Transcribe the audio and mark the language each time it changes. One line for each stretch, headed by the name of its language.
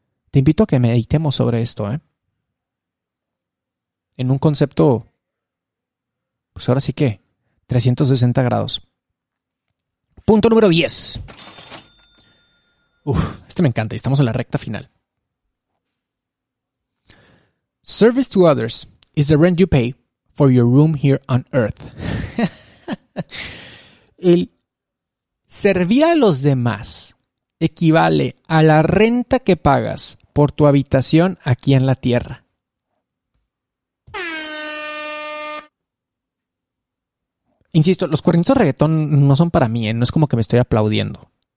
Spanish: Te invito a que meditemos sobre esto, ¿eh? En un concepto, pues ahora sí que, 360 grados. Punto número 10. Uf, este me encanta y estamos en la recta final.
English: Service to others is the rent you pay for your room here on earth.
Spanish: El servir a los demás equivale a la renta que pagas por tu habitación aquí en la tierra. Insisto, los cuernitos de reggaetón no son para mí, ¿eh? No es como que me estoy aplaudiendo.